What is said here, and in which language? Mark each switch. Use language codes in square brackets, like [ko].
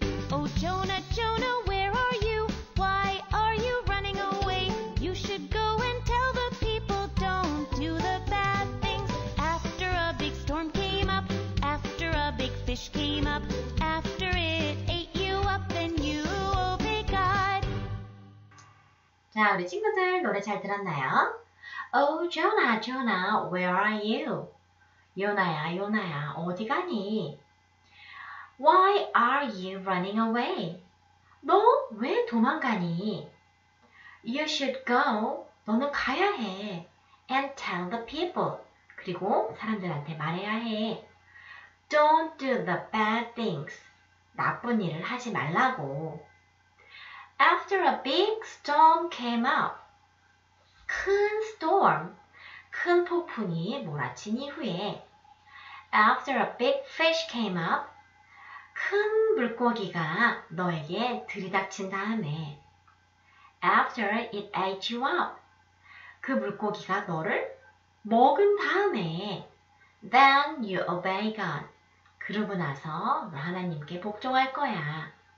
[en] Oh, Jonah, Jonah, where are you? Why are you running away? You should go and tell the people, don't do the bad things. After a big storm came up, after a big fish came up, after it ate you up, then you obeyed God. [ko] 자, 우리 친구들 노래 잘 들었나요? [en] Oh, Jonah, Jonah, where are you? [ko] 요나야, 요나야, 어디 가니? [en] Why are you running away? [ko] 너 왜 도망가니? [en] You should go. [ko] 너는 가야 해. [en] And tell the people. [ko] 그리고 사람들한테 말해야 해. [en] Don't do the bad things. [ko] 나쁜 일을 하지 말라고. [en] After a big storm came up. [ko] 큰 storm, 큰 폭풍이 몰아친 이후에 [en] After a big fish came up, [ko] 큰 물고기가 너에게 들이닥친 다음에 [en] After it ate you up, [ko] 그 물고기가 너를 먹은 다음에 [en] Then you obey God, [ko] 그러고 나서 너 하나님께 복종할 거야.